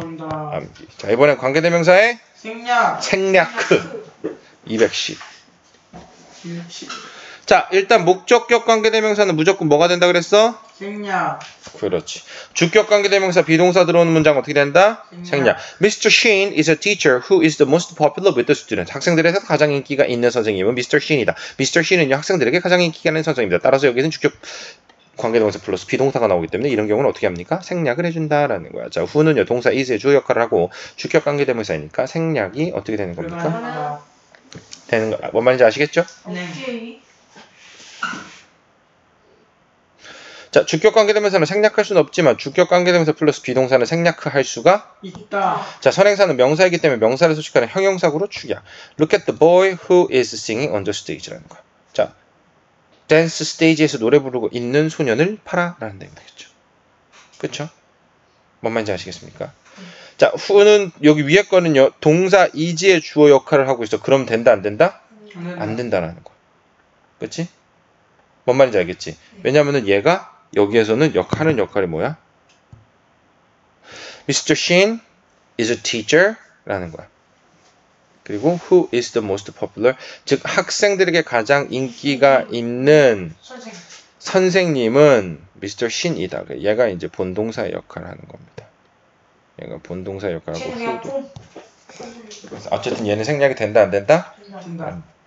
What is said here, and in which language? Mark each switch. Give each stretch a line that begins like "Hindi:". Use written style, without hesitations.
Korean: 암기. 자, 이번엔 관계 대명사의 생략. 생략. 210. 자, 일단 목적격 관계대명사는 무조건 뭐가 된다 그랬어? 생략. 그렇지. 주격 관계대명사 비동사 들어오는 문장 어떻게 된다? 생략.
English: Mr. Sheen is a teacher who is the most popular with the students.
Korean: 학생들에게 가장 인기가 있는 선생님은 Mr. Sheen이다. Mr. Sheen은요, 학생들에게 가장 인기가 있는 선생님이다. 따라서 여기는 주격 관계대명사 플러스 비동사가 나오기 때문에 이런 경우는 어떻게 합니까? 생략을 해준다라는 거야. 자, who는요, 동사 is의 주 역할을 하고 주격 관계대명사이니까 생략이 어떻게 되는 겁니까? 그러면은... 되는 거. 뭔 말인지 아시겠죠? 네.
English: Okay.
Korean: 자, 주격 관계대명사는 생략할 수는 없지만 주격 관계대명사 플러스 비동사는 생략할 수가 있다. 자, 선행사는 명사이기 때문에 명사를 수식하는 형용사구로 축약.
English: Look at the boy who is singing on the stage
Korean: 라는 거야. 자, 댄스 스테이지에서 노래 부르고 있는 소년을 파라라는 내용이겠죠. 그렇죠? 뭔 말인지 아시겠습니까? 자, who는 여기 위에 거는요, 동사 is의 주어 역할을 하고 있어. 그럼 된다 안 된다? 안 된다라는 거. 그렇지? 뭔 말인지 알겠지? 왜냐하면은 얘가 여기에서는 역하는 역할이 뭐야?
English: Mr. Sheen is a teacher
Korean: 라는 거야. 그리고
English: who is the most popular?
Korean: 즉 학생들에게 가장 인기가 있는 선생님은 Mr. Sheen이다. 얘가 이제 본동사의 역할을 하는 겁니다. 얘가 본동사의 역할하고 어쨌든 얘는 생략이 된다 안 된다? 된다.